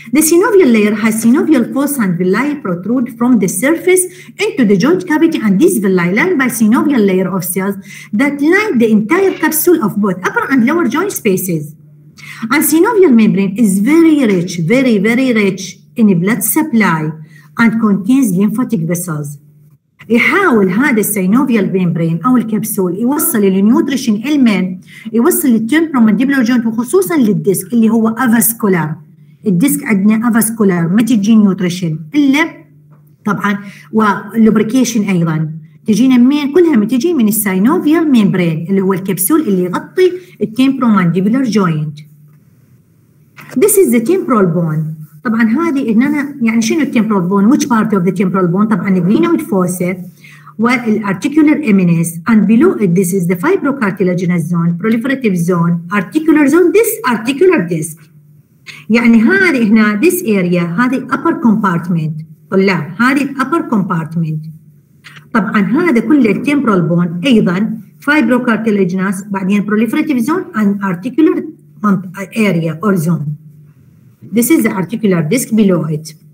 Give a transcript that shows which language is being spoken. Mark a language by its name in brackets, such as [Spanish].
[English] The synovial layer has synovial fossa and villi protrude from the surface into the joint cavity, and these villi lined by synovial layer of cells that line the entire capsule of both upper and lower joint spaces. And synovial membrane is very rich, very, very rich in blood supply. And contains lymphatic vessels. [Arabic] يحاول هذا السينوفيال بيمبرين أو الكبسول يوصل للنيوتريشن المن يوصل للتيمبرومانديبولار جوينت وخصوصا للديسك اللي هو أفاسكولار. الديسك عندنا أفاسكولار ما تجي نيوتريشن إلا طبعا واللوبريكيشن أيضا تجينا من كلها ما تجي من السينوفيال بيمبرين اللي هو الكبسول اللي يغطي التيمبرومانديبولار جوينت. [English] This is the temporal bone. [Arabic] طبعا هذه ان انا يعني شنو التيمبرال بون [English] which part of the temporal bone [Arabic] طبعا الجلينويد فوسا والارتيكولر امينيس [English] and below it this is the fibrocartilaginous zone proliferative zone articular zone this articular disc [Arabic] يعني هذه هنا [English] this area هذه upper compartment طلاب هذه upper compartment [Arabic] طبعا هذا كل التيمبرال بون ايضا [English] fibrocartilaginous بعدين proliferative zone and articular area or zone This is the articular disc below it.